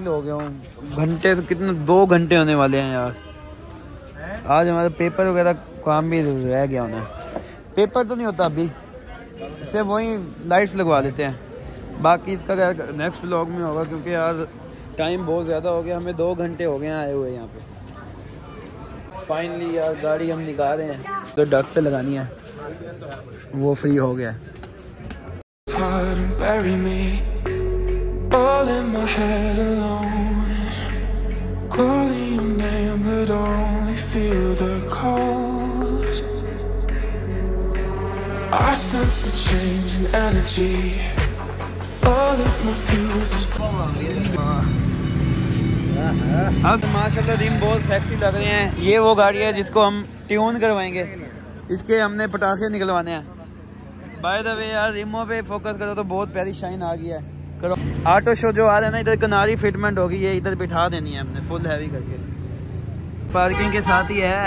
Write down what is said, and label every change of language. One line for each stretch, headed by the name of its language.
Hindi: घंटे कितने, 2 घंटे होने वाले हैं यार आज हमारे पेपर वगैरह काम भी रह गया होना, पेपर तो नहीं होता अभी, इसे वही लाइट्स लगवा देते हैं, बाकी इसका नेक्स्ट व्लॉग में होगा क्योंकि यार टाइम बहुत ज़्यादा हो गया, हमें 2 घंटे हो गए हैं आए हुए यहाँ पे। फाइनली यार गाड़ी हम निकाल रहे हैं तो डक पे लगानी है, वो फ्री हो गया।
English: Hide and bury me, all in my head alone, calling your name but only feel the cold. I sense the change in energy, all of my fears is falling.
Hindi: अब माशाल्लाह rim बहुत sexy लग रहे हैं, ये वो गाड़ी है जिसको हम ट्यून करवाएंगे, इसके हमने पटाखे निकलवाने हैं। बाय द वे यार रिमो पे फोकस करो तो बहुत प्यारी शाइन आ गई है, करो ऑटो शो जो आ रहा है ना इधर किनारी फिटमेंट होगी, ये इधर बिठा देनी है हमने फुल हैवी करके, पार्किंग के साथ ही है।